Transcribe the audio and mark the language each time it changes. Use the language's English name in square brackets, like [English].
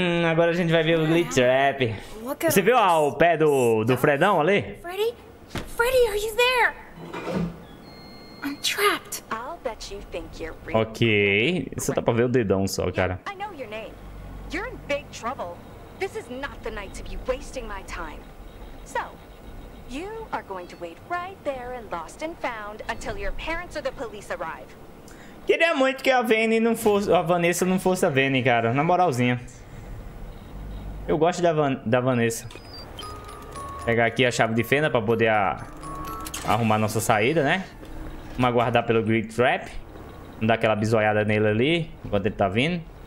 [Portuguese] Agora a gente vai ver o Glitch Trap. Você viu o pé do Fredão ali? [English] Freddy? Freddy, are you there? I'm trapped. I'll bet you think you're real. Ok. [Portuguese] Só dá pra ver o dedão só, cara. [English] I know your name. You're in big trouble. This is not the night to be wasting my time. So, you are going to wait right there and lost and found until your parents or the police arrive. [Portuguese] Queria muito que a Vanny não fosse, a Vanessa não fosse a Vanny, cara, na moralzinha. Eu gosto da Vanessa. Pegar aqui a chave de fenda para poder arrumar nossa saída, né? Vamos aguardar pelo Great Trap. Vamos dar aquela bisoiada nele ali enquanto ele tá vindo.